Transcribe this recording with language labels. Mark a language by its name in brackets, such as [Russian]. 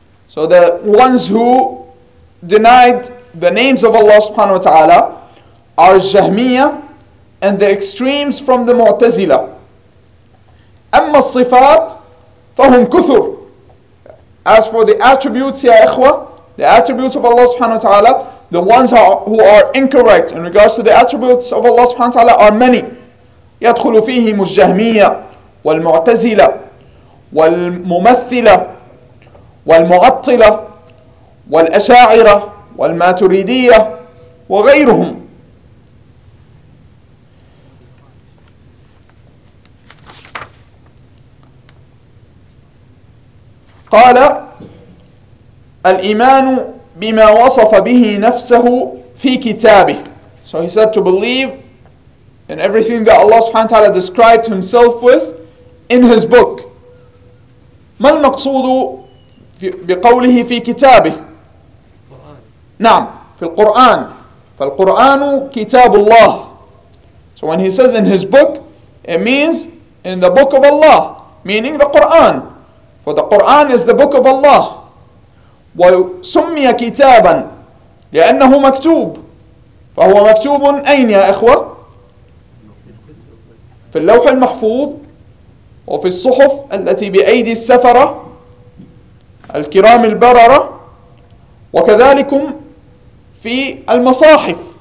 [English] So the ones who denied the names of Allah subhanahu wa ta'ala are الجهمية and the extremes from the معتزلة [Arabic] أما الصفات فهم كثر [English] As for the attributes يا إخوة the attributes of Allah subhanahu wa ta'ala The ones who are incorrect in regards to the attributes of Allah subhanahu wa ta'ala are many. [Arabic] يدخل فيهم الجهمية والمعتزلة والممثلة والمعطلة والأشاعرة والماتريدية وغيرهم. قال الإيمان بما وصف به نفسه في كتابه. [English] So he said to believe in everything that Allah سبحانه وتعالى described himself with in his book. [Arabic] ما المقصود بقوله في كتابه؟ القرآن. نعم في القرآن. فالقرآن كتاب الله. [English] So when he says in his book, it means in the book of Allah, meaning the Quran. For the Quran is the book of Allah. [Arabic] وسمي كتابا لأنه مكتوب فهو مكتوب أين يا إخوة في اللوح المحفوظ وفي الصحف التي بأيدي السفرة الكرام البررة وكذلك في المصاحف